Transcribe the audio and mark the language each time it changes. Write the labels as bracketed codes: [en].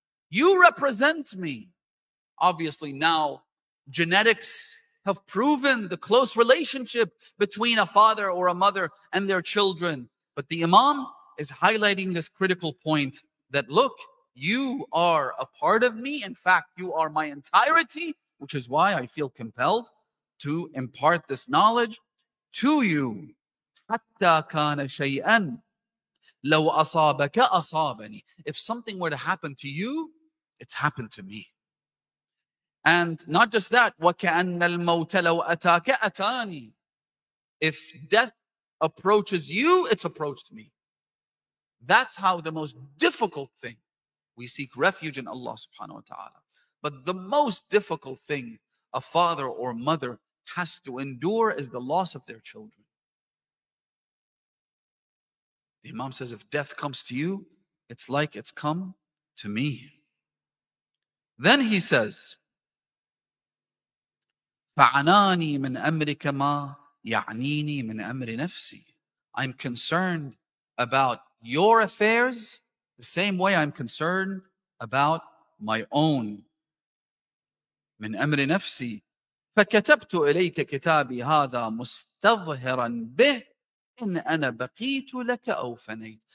[en] You represent me. Obviously, now genetics have proven the close relationship between a father or a mother and their children. But the Imam is highlighting this critical point that, look, you are a part of me. In fact, you are my entirety, which is why I feel compelled to impart this knowledge to you. [ar] حَتَّى كَانَ شَيْئًا لَوْ أَصَابَكَ أَصَابَنِي. [en] If something were to happen to you, it's happened to me. And not just that, [ar] وَكَأَنَّ الْمَوْتَ لَوْ أَتَاكَ أَتَانِي. [en] If death approaches you, it's approached me. That's how the most difficult thing, we seek refuge in Allah subhanahu wa ta'ala. But the most difficult thing a father or mother has to endure is the loss of their children. The Imam says, if death comes to you, it's like it's come to me. Then he says, [ar] فَعَنَانِي مِنْ أَمْرِكَ مَا يَعْنِينِي مِنْ أَمْرِ نَفْسِي. [en] I'm concerned about your affairs the same way I'm concerned about my own. [ar] مِنْ أَمْرِ نَفْسِي فَكَتَبْتُ إِلَيْكَ كِتَابِي هَذَا مُسْتَظْهِرًا بِهِ إِنْ أَنَا بَقِيتُ لَكَ أَوْفَنَيْتُ.